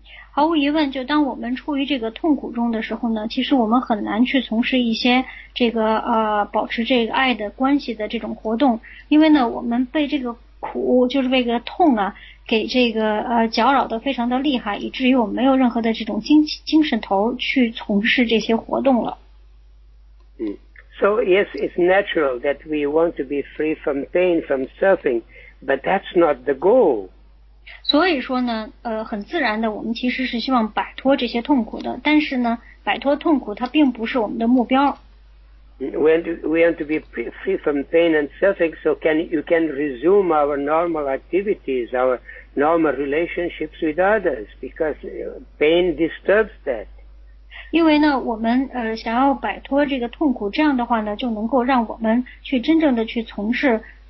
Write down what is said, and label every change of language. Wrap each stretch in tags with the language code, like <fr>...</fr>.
<zh>毫无疑问，就当我们处于这个痛苦中的时候呢，其实我们很难去从事一些这个保持这个爱的关系的这种活动，因为呢，我们被这个苦，就是被这个痛啊，给这个搅扰得非常的厉害，以至于我们没有任何的这种精神头去从事这些活动了。</zh> <en>So yes, it's natural that we want to be free from pain, from suffering, but that's not the goal.</en> <zh>所以说呢，很自然的，我们其实是希望摆脱这些痛苦的。但是呢，摆脱痛苦它并不是我们的目标。</zh> <en>We want to be free from pain and suffering, so you can resume our normal activities, our normal relationships with others, because pain disturbs that.</en> <zh>因为呢，我们想要摆脱这个痛苦，这样的话呢，就能够让我们去真正的去从事。</zh>